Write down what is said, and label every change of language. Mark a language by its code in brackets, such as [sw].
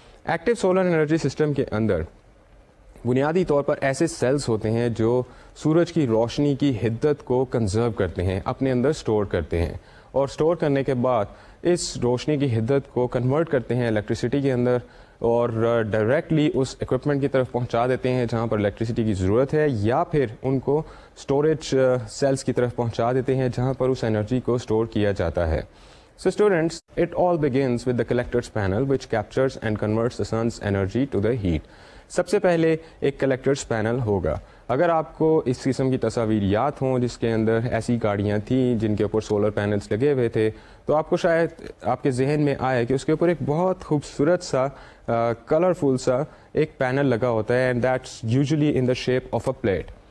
[ur] Active solar energy system کے اندر بنیادی طور پر ایسے سیلز ہوتے ہیں جو سورج کی روشنی کی حدت کو کنزرو کرتے ہیں, اپنے اندر سٹور کرتے ہیں, اور سٹور کرنے کے بعد اس روشنی کی حدت کو کنورٹ کرتے ہیں الیکٹریسٹی کے اندر اور ڈائریکٹلی اس اکوپمنٹ کی طرف پہنچا دیتے ہیں جہاں پر الیکٹریسٹی کی ضرورت ہے, یا پھر ان کو اسٹوریج سیلس کی طرف پہنچا دیتے ہیں جہاں پر اس انرجی کو اسٹور کیا جاتا ہے. [en] So students, it all begins with the collectors panel which captures and converts the sun's energy to the heat. [ur] سب سے پہلے ایک کلیکٹرز پینل ہوگا. اگر آپ کو اس قسم کی تصاویر یاد ہوں جس کے اندر ایسی گاڑیاں تھیں جن کے اوپر سولر پینلز لگے ہوئے تھے, تو آپ کو شاید آپ کے ذہن میں آیا کہ اس کے اوپر ایک بہت خوبصورت سا کلرفل سا ایک پینل لگا ہوتا ہے, [en] And that's usually in the shape of a plate.